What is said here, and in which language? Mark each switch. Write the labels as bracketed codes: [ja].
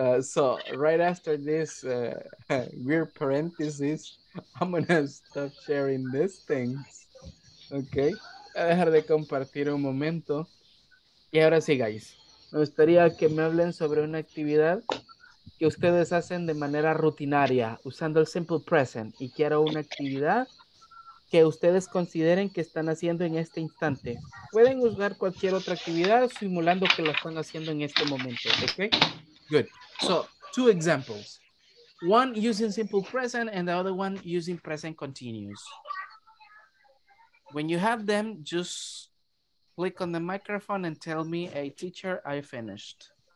[en] So right after this weird parenthesis, I'm gonna stop sharing these things. [es] Okay. A dejar de compartir un momento. Y ahora sí, guys, me gustaría que me hablen sobre una actividad que ustedes hacen de manera rutinaria, usando el simple present, y quiero una actividad que ustedes consideren que están haciendo en este instante. Pueden usar cualquier otra actividad simulando que la están haciendo en este momento, ¿ok? [en] Good. So, two examples. One using simple present and the other one using present continuous. When you have them, just click on the microphone and tell me, hey, teacher, I finished.